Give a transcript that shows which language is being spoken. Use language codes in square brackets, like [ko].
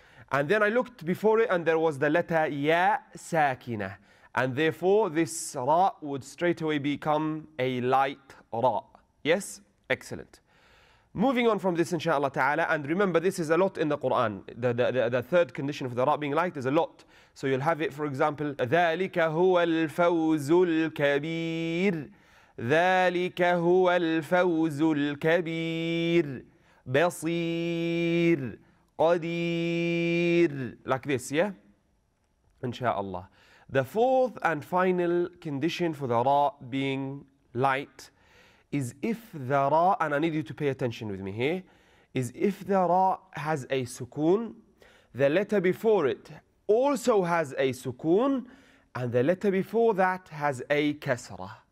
[en] And then I looked before it and there was the letter ya sakina. And therefore this ra would straight away become a light ra. Yes? Excellent. Moving on from this, inshallah ta'ala, and remember this is a lot in the Quran. The third condition of the ra being light is a lot. So you'll have it, for example, [ar] ذَلِكَ هُوَ الْفَوْزُ الْكَبِيرُ ذَلِكَ هُوَ الْفَوْزُ الْكَبِيرُ بَصِيرُ قَدِيرُ. [en] Like this, yeah? Inshallah. The fourth and final condition for the ra being light is if the ra, and I need you to pay attention with me here, is if the ra has a sukoon, the letter before it also has a sukoon, and the letter before that has a kasra.